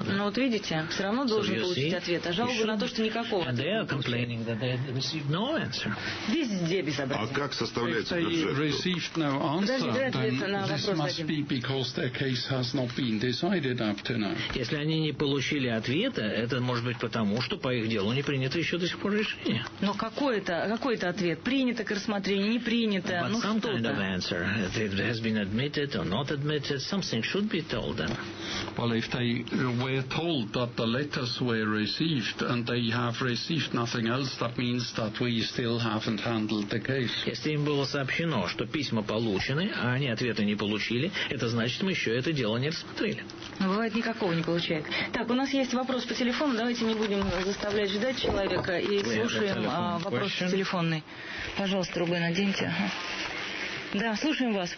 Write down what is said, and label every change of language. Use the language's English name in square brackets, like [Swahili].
[Russian] Но вот видите, все равно должен получить ответ. А жалобы на то, что никакого. [English] And they are complaining that they received no answer. [Russian] Везде безобразие. А как составляется бюджет? [English] If they received no answer, then this must be because their case has not been decided up to now. [Russian] Если они не получили ответа, это может быть потому, что по их делу не принято еще до сих пор решение. Но какой-то ответ? Принято к рассмотрению, не принято? [English] But [Russian] ну [English] some [Russian] что-то. [English] Kind of answer. If it has been admitted or not admitted, something should be told them. Well, if they were told that the letters were received and they have received nothing else, that means that we still haven't handled the case. [Russian] Если им было сообщено, что письма получены, а они ответа не получили, это значит, мы еще это дело не рассмотрели. Но бывает, никакого не получает. Так, у нас есть вопрос по телефону. Давайте не будем заставлять ждать человека и слушаем вопрос телефонный. Пожалуйста, трубы наденьте. Да, слушаем вас.